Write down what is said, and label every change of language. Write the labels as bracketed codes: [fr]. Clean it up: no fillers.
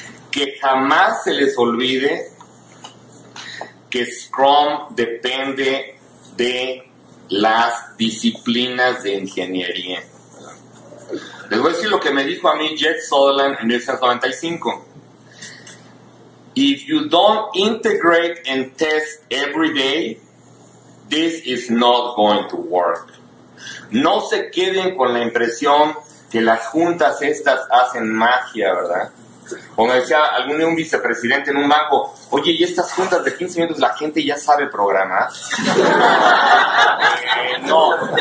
[es] Que jamás se les olvide que Scrum depende de las disciplinas de ingeniería. Les voy a decir lo que me dijo a mí Jeff Sutherland en 1995. [en] If you don't integrate and test every day, this is not going to work. [es] No se queden con la impresión que las juntas estas hacen magia, ¿verdad? Como decía algún día un vicepresidente en un banco, oye, ¿y estas juntas de 15 minutos la gente ya sabe programar? No.